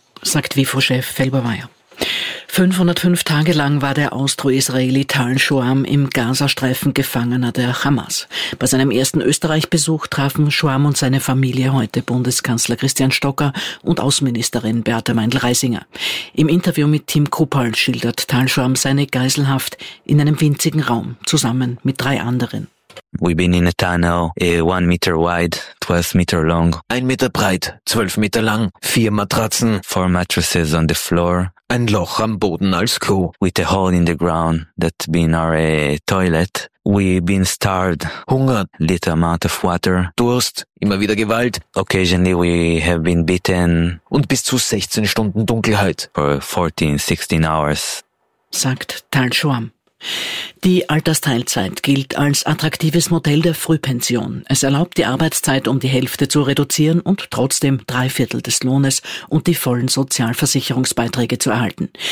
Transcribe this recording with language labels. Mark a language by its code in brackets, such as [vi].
[de] sagt WIFO-Chef Felbermayr. 505 Tage lang war der Austro-Israeli Tal Shoham im Gazastreifen Gefangener der Hamas. Bei seinem ersten Österreich-Besuch trafen Shoham und seine Familie heute Bundeskanzler Christian Stocker und Außenministerin Beate Meindl-Reisinger. Im Interview mit Tim Kupal schildert Tal Shoham seine Geiselhaft in einem winzigen Raum zusammen mit drei anderen. [en] We've been in a tunnel, 1 meter wide, 12 meter long. [de] 1 meter breit, 12 meter lang. 4 Matratzen. [en] 4 mattresses on the floor. [de] ein Loch am Boden als Kuh. [en] With a hole in the ground, that been our toilet. We been starved, hungered, little amount of water, [de] Durst, immer wieder Gewalt. [en] Occasionally we have been beaten. [de] Und bis zu 16 Stunden Dunkelheit. [en] For 14, 16 hours. [de] Sagt Tal Schwam. Die Altersteilzeit gilt als attraktives Modell der Frühpension. Es erlaubt, die Arbeitszeit um die Hälfte zu reduzieren und trotzdem 3/4 des Lohnes und die vollen Sozialversicherungsbeiträge zu erhalten.